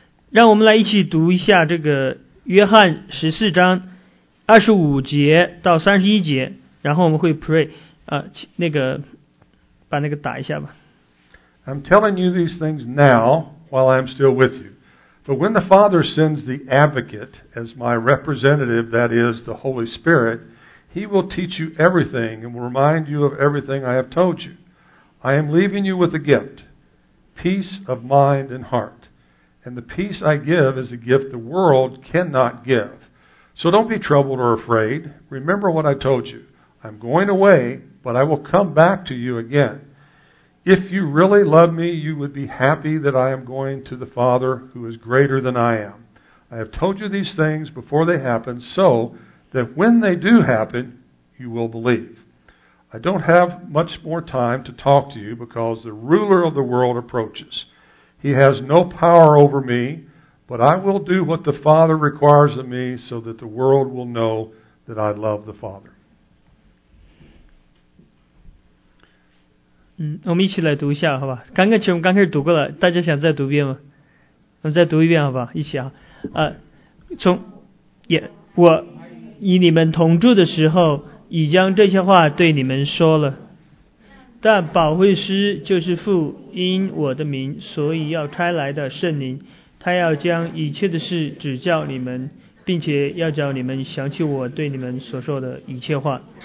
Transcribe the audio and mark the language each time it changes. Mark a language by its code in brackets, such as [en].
[zh] 让我们来一起读一下这个约翰十四章二十五节到三十一节，然后我们会 pray 那个把那个打一下吧。 [en] I'm telling you these things now while I'm still with you. But when the Father sends the Advocate as my representative, that is, the Holy Spirit, He will teach you everything and will remind you of everything I have told you. I am leaving you with a gift, peace of mind and heart. And the peace I give is a gift the world cannot give. So don't be troubled or afraid. Remember what I told you. I'm going away, but I will come back to you again. If you really love me, you would be happy that I am going to the Father who is greater than I am. I have told you these things before they happen, so that when they do happen, you will believe. I don't have much more time to talk to you because the ruler of the world approaches. He has no power over me, but I will do what the Father requires of me so that the world will know that I love the Father. [zh] 我们一起来读一下好吧。刚刚其实我们刚开始读过了，大家想再读一遍吗？我们再读一遍好吧，一起啊。从也我与你们同住的时候已将这些话对你们说了，但保惠师就是父因我的名所以要差来的圣灵，他要将一切的事指教你们，并且要叫你们想起我对你们所说的一切话。